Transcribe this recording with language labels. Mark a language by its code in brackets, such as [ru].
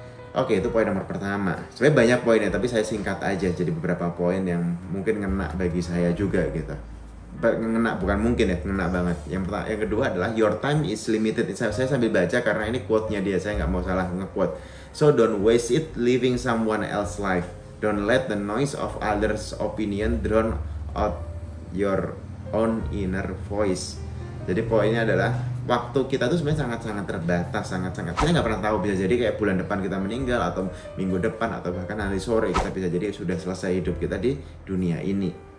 [id] Oke, itu poin nomor pertama. Sebenarnya banyak poinnya, tapi saya singkat aja jadi beberapa poin yang mungkin ngena bagi saya juga gitu. Ngena banget. Yang kedua adalah [en] your time is limited. [id] Saya sambil baca karena ini quote-nya dia, saya nggak mau salah nge-quote. [en] So don't waste it living someone else's life. Don't let the noise of others' opinion drown out your own inner voice. [id] Jadi poinnya adalah waktu kita tuh sebenarnya sangat-sangat terbatas, sangat-sangat. Kita nggak pernah tahu, bisa jadi kayak bulan depan kita meninggal atau minggu depan atau bahkan nanti sore kita bisa jadi sudah selesai hidup kita di dunia ini.